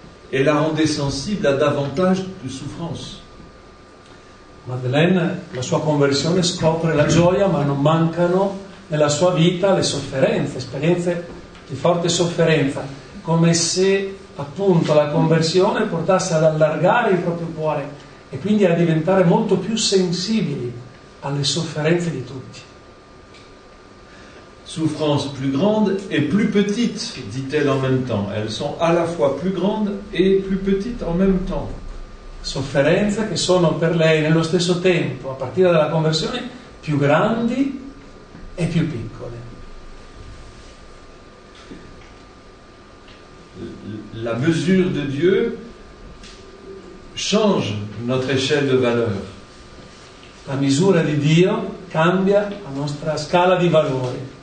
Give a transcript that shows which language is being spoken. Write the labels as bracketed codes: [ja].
[fr] Elle la rendait sensible à davantage de souffrance. [it] Madeleine, la sua conversione scopre la gioia, ma non mancano nella sua vita le sofferenze, esperienze di forte sofferenza, come se appunto la conversione portasse ad allargare il proprio cuore e quindi a diventare molto più sensibili alle sofferenze di tutti. [fr] Souffrance plus grande et plus petite, dit-elle en même temps. Elles sont à la fois plus grandes et plus petites en même temps. [it] Sofferenze che sono per lei nello stesso tempo, a partire dalla conversione, più grandi e più piccole. [fr] La mesure de Dieu change notre échelle de valeur. [it] La misura di Dio cambia la nostra scala di valori.